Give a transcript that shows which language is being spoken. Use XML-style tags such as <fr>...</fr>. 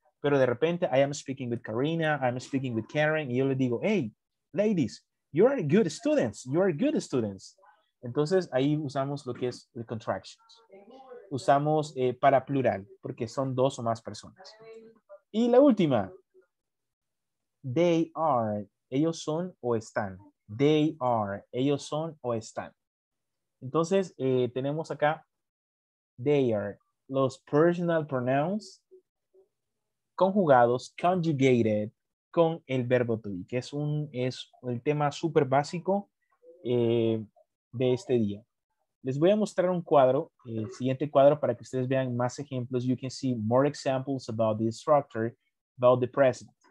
<es>Pero de repente,</es> <en>I am speaking with Karina, I am speaking with Karen,</en> <es>y yo le digo,</es> <en>hey, ladies, you are good students, you are good students.</en> <es>Entonces ahí usamos lo que es the contractions. Usamos para plural, porque son dos o más personas. Y la última,</es> <en>they are,</en> <es>ellos son o están.</es> <en>They are,</en> <es>ellos son o están. Entonces, tenemos acá, they are, los personal pronouns conjugados, conjugated, con el verbo to be, que es el tema súper básico de este día. Les voy a mostrar un cuadro, el siguiente cuadro, para que ustedes vean más ejemplos.</es> <en>You can see more examples about the structure, about the present.</en>